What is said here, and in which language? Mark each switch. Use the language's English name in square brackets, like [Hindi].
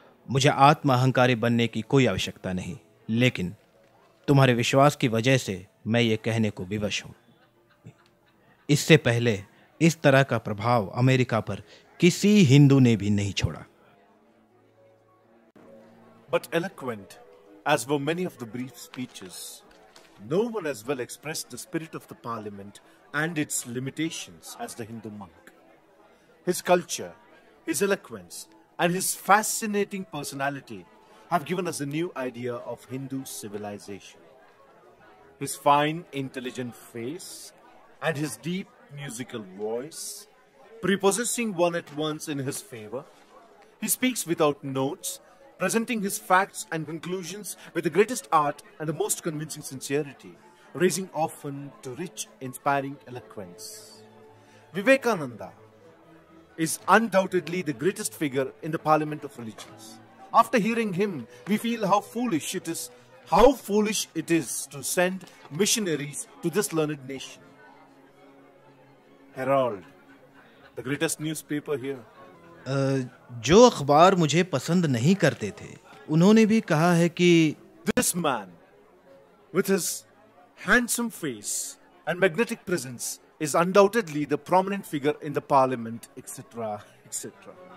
[Hindi] मुझे आत्माहंकारी बनने की कोई आवश्यकता नहीं, लेकिन तुम्हारे विश्वास की वजह से मैं ये कहने को विवश हूं। इससे पहले इस तरह का प्रभाव अमेरिका पर किसी हिंदू ने भी नहीं छोड़ा। [English] But eloquent as were many of the brief speeches, no one as well expressed the spirit of the parliament and its limitations as the Hindu monk. His culture, his eloquence, and his fascinating personality have given us a new idea of Hindu civilization. His fine, intelligent face and his deep musical voice, prepossessing one at once in his favor. He speaks without notes, presenting his facts and conclusions with the greatest art and the most convincing sincerity, raising often to rich, inspiring eloquence. Vivekananda is undoubtedly the greatest figure in the Parliament of Religions. After hearing him, we feel how foolish it is to send missionaries to this learned nation. Herald, the greatest newspaper here. [Hindi] जो अखबार मुझे पसंद नहीं करते थे उन्होंने भी कहा है कि [English] This man with his handsome face and magnetic presence is undoubtedly the prominent figure in the parliament etcetera etcetera.